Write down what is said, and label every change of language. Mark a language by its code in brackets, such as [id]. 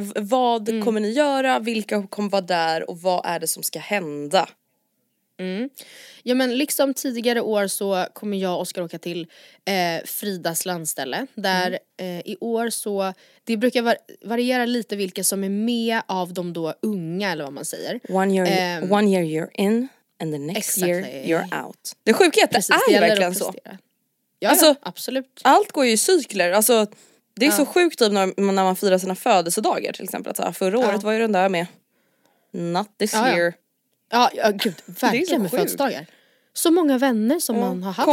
[sv] Vad kommer ni göra? Vilka kommer vara där? Och vad är det som ska hända? Mm. Ja, men liksom tidigare år så kommer jag och Oskar åka till Fridas landställe. Där i år så, det brukar variera lite vilka som är med av de då unga, eller vad man säger. [en] One year you're in and the next exactly. year you're out. [sv] Det sjuka är att precis, det är verkligen att så. Ja, alltså, ja, absolut. Allt går ju i cykler. Alltså, det är så sjukt typ, när man firar sina födelsedagar till exempel. Alltså, förra året var ju den där med [en] not this year. [sv] Ja, gud, verkligen med födelsedagar. Så många vänner som man har haft.